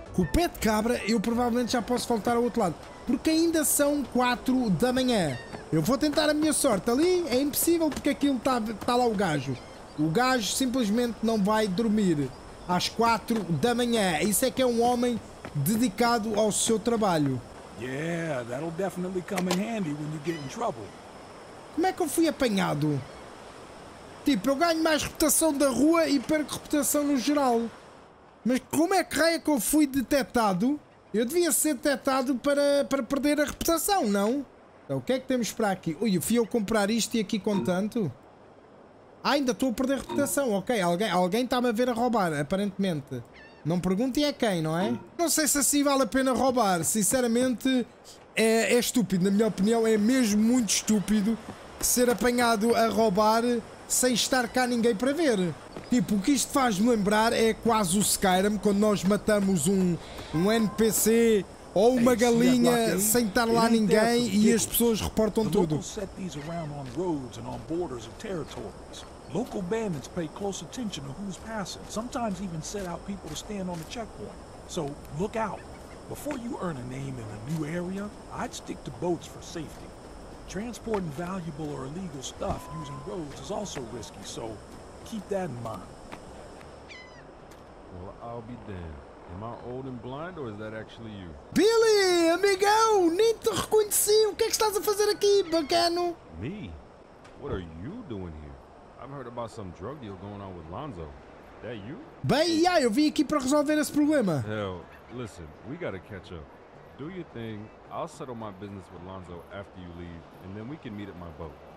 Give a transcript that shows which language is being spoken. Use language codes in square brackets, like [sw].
[pt] Com o pé de cabra, eu provavelmente já posso voltar ao outro lado, porque ainda são 4 da manhã. Eu vou tentar a minha sorte. Ali é impossível, porque aquilo está lá o gajo. O gajo simplesmente não vai dormir às 4 da manhã. Isso é que é um homem dedicado ao seu trabalho. Yeah, that'll definitely come in handy when you get in trouble. Como é que eu fui apanhado? Tipo, eu ganho mais reputação da rua e perco reputação no geral. Mas como é que raio que eu fui detectado? Eu devia ser detectado para perder a reputação, não? Então o que é que temos para aqui? Ui, fui eu comprar isto e aqui com tanto? Ah, ainda estou a perder a reputação. Ok, alguém está-me a ver a roubar, aparentemente. Não perguntem a quem, não é? Não sei se assim vale a pena roubar. Sinceramente, é estúpido. Na minha opinião, é mesmo muito estúpido ser apanhado a roubar sem estar cá ninguém para ver. Tipo, o que isto faz-me lembrar é quase o Skyrim, quando nós matamos um NPC ou uma galinha sem estar lá ninguém e as pessoas reportam tudo. Os locais [en] set these around on roads and on borders of territories. Local bandits pay close attention to who's passing. Sometimes even set out people to stand on the checkpoint. So look out. Before you earn a name in a new area, I'd stick to boats for safety. Transporting valuable or illegal stuff using roads is also risky, so keep that in mind. Well, I'll be damned. Am I old and blind, or is that actually you? [pt] Billy, amigão, nem te reconheci. O que é que estás a fazer aqui, bacano? [en] Me? What are you doing here? I've heard about some drug deal going on with Lonzo. That you? [pt] Bem, yeah, eu vim aqui para resolver esse problema. [en] Hell, listen, we gotta catch up. Do your thing. I'll settle my business with Lonzo after you leave, and then we can meet at my boat.